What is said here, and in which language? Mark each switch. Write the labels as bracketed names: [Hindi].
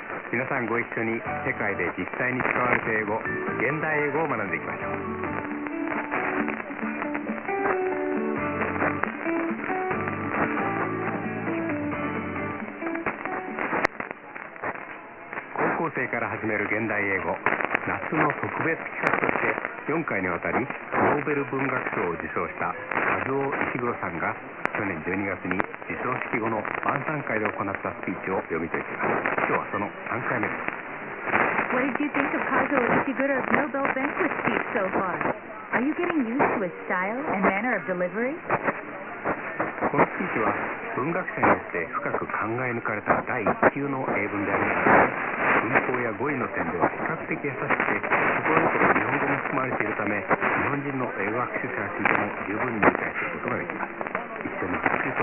[Japanese] 皆さんご一緒に世界で実際に使われている英語、現代英語を学んでいきましょう。高校生から始める現代英語、夏の特別企画として4回にわたりノーベル文学賞を受賞した和夫石黒さんが去年12月に受賞式後の晩餐会で行ったスピーチを読み解きます。今日はその3回目です。 [English] What did you think of Kazuo Ishiguro's Nobel banquet speech so far? Are you getting used to his style and manner of delivery? [Japanese] このスピーチは文学者によって深く考え抜かれた第一級の英文でありますが、文法や語彙の点では比較的優しくて、ところどころ日本語も含まれているため、日本人の英語学習者についても十分に理解することができます。